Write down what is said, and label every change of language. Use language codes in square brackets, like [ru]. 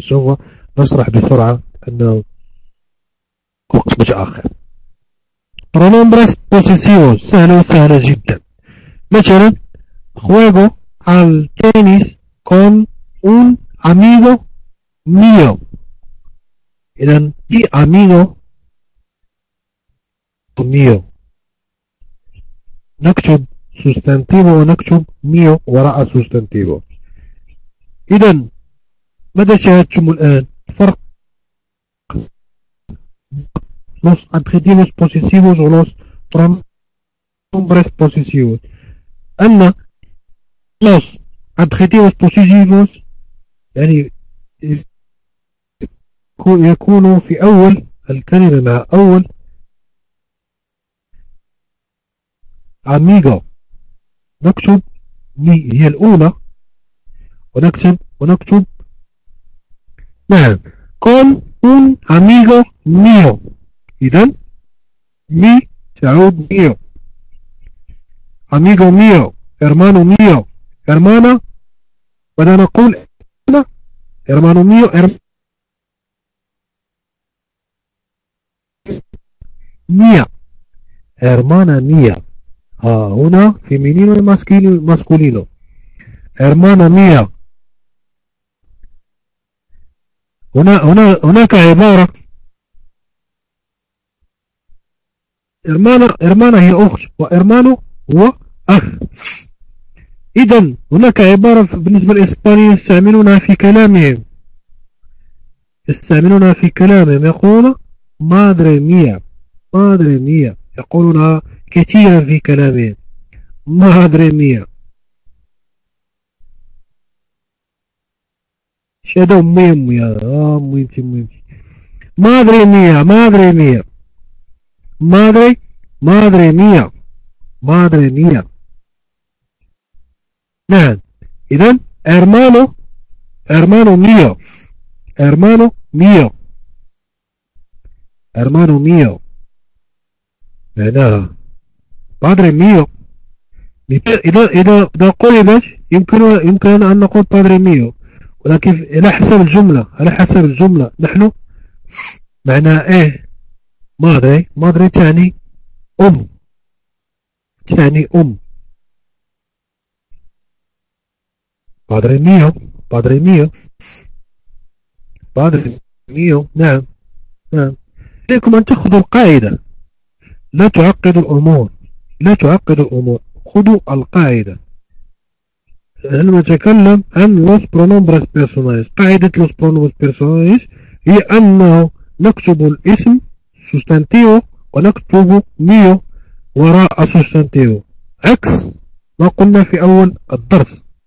[ar] سوف نشرح بسرعة أنه قسم آخر. [es] Pronombres posesivos. [ar] سهلة وسهلة جدا. مثلا [es] juego al tenis con un amigo mío. [ar] إذا [es] mi amigo mío. [ar] نكتب sustantivo ونكتب mío وراء sustantivo. إذا ماذا شاهدتم الآن؟ فرق [es] los adjetivos posesivos o los pronombres posesivos. [ar] أن [es] los adjetivos posesivos [ar] يعني يكون في أول الكلمة مع أول amigo. نكتب مي هي الأولى ونكتب ونكتب نعم [es] con un amigo mío. [ar] إذن مي تعود mío. [es] amigo mío hermano mío hermana [ar] بدنا نقول [es] hermano mío mía hermana mía. [ar] هنا [es] femenino y masculino. hermana mía. [ar] هنا هنا هناك عبارة hermana هي أخت وhermano هو أخ. إذا هناك عبارة بالنسبة للإسبانية يستعملونها في كلامهم، يستعملونها في كلامهم، يقولون [es] madre mía madre mía، [ar] يقولونها كثيرا في كلامهم [es] madre mía. [ar] شهادة مهم يا مهمتي مهمتي [es] madre mía madre mía madre madre mía madre mía. [ar] نعم إذا [es] hermano hermano mío hermano mío hermano mío [ar] معناها [es] padre mío. [ar] إذا قلبت يمكن أن نقول [es] padre mío، [ar] ولكن على حسب الجملة، على حسب الجملة نحن معناها إيه. madre madre تعني أم، تعني أم. [es] Padre mío, padre mío, padre mío. [ar] نعم نعم. عليكم أن تأخذوا القاعدة، لا تعقدوا الأمور، لا تعقدوا الأمور، خذوا القاعدة. عندما نتكلم عن [es] los pronombres personales، [ar] قاعدة los pronombres personales هي أنه نكتب الاسم sustantivo ونكتب mío وراء sustantivo، عكس ما قلنا في أول الدرس.